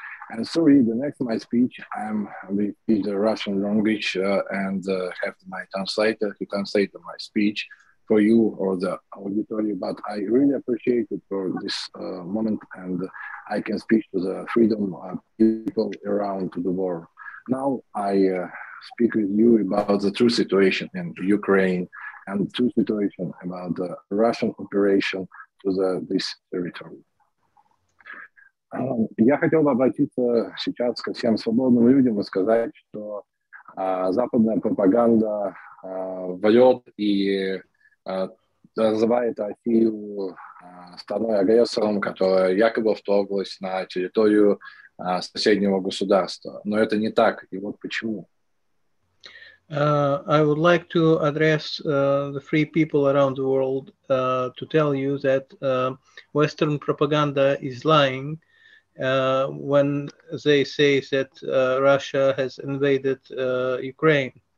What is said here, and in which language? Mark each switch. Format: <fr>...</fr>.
<en>And sorry, the next my speech, I'm in the Russian language and have my translator to translate my speech for you or the auditorium, but I really appreciate it for this moment and I can speak to the freedom of people around the world. Now I speak with you about the true situation in Ukraine and the true situation about the Russian operation to this territory.</en> <ru>Я хотел бы обратиться сейчас ко всем свободным людям и сказать, что западная пропаганда врет и называет Россию страной агрессором, которая якобы вторглась на территорию соседнего государства. Но это не так. И вот почему.</ru> <en>I would like to address the free people around the world to tell you that Western propaganda is lying when they say that Russia has invaded Ukraine.</en>